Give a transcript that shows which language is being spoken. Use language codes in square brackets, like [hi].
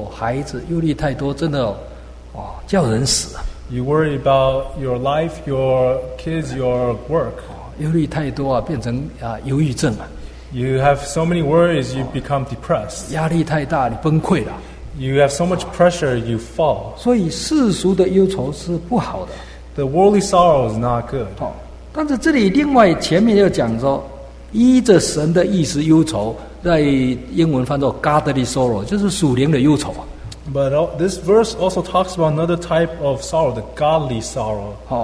[zh] 你忧虑你的生活、工作、孩子，忧虑太多，真的，哇，叫人死。 [en] You worry about your life, your kids, your work. [zh] 忧虑太多啊，变成忧郁症啊。 [en] You have so many worries, you become depressed. [zh] 压力太大，你崩溃了。 [en] You have so much pressure, you fall. [zh] 所以世俗的忧愁是不好的。 [en] The worldly sorrow is not good. [zh] 但是这里另外前面又讲说，依着神的意思忧愁。在英文翻作 [en] godly sorrow, [zh] 就是属灵的忧愁。 [en] But this verse also talks about another type of sorrow, the godly sorrow.